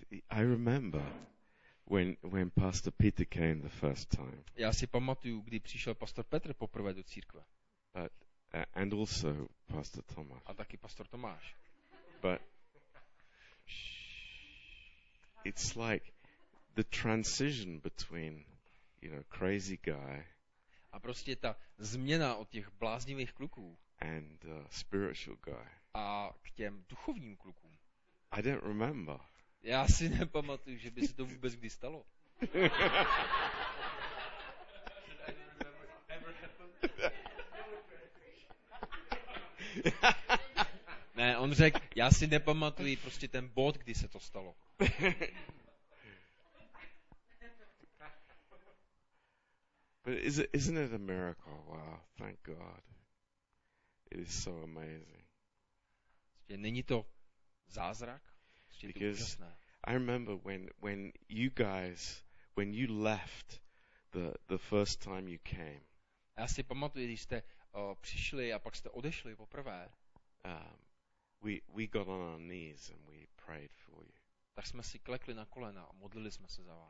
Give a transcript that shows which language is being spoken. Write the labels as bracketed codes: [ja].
[en] I remember when Pastor Peter came the first time. [cs] Já si pamatuju, kdy přišel pastor Petr poprvé do církve. [en] And also Pastor Tomáš. [cs] A taky pastor Tomáš. [en] But it's like the transition between, you know, crazy guy. [cs] A prostě ta změna od těch bláznivých kluků. [en] And spiritual guy. [cs] A k těm duchovním klukům. [en] I don't remember. [cs] Já si nepamatuju, že by se to vůbec kdy stalo. Ne, on řekl, já si nepamatuju prostě ten bod, kdy se to stalo. [en] But isn't it a miracle? Wow, thank God. It is so amazing. [cs] Není to zázrak? [en] Because I remember when you guys, when you left the first time you came. [cs] Já si pamatuju, když jste přišli a pak jste odešli poprvé. [en] We got on our knees and we prayed for you. [cs] Tak jsme si klekli na kolena a modlili jsme se za vás.